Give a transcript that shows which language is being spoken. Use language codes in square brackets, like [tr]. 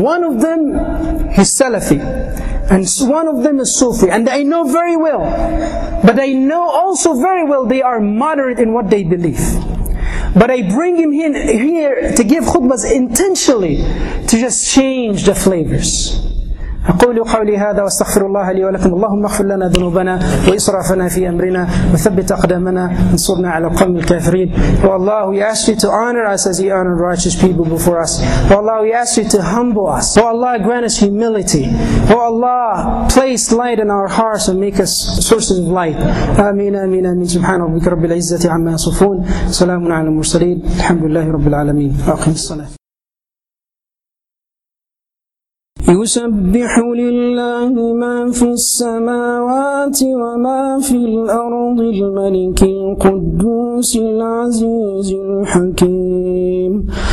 [en] One of them is Salafi, and one of them is Sufi, and I know very well, but I know also very well they are moderate in what they believe. But I bring him in here to give khutbahs intentionally to just change the flavors. [ar] أقول قولي هذا واستغفر الله لي ولكم اللهم اغفر لنا ذنوبنا وإسرافنا في أمرنا وثبت أقدامنا انصرنا على القوم الكافرين. [en] Oh Allah, we ask you to honor us as you honor righteous people before us. Oh Allah, we ask you to humble us. Oh Allah, grant us humility. Oh Allah, place light in our hearts and make us sources of light. [ar] آمين آمين آمين. سبحان ربك رب العزة عما يصفون سلام على المرسلين الحمد لله رب العالمين أقيم الصلاة. يسبح لله ما في السماوات وما في الأرض الملك القدوس العزيز الحكيم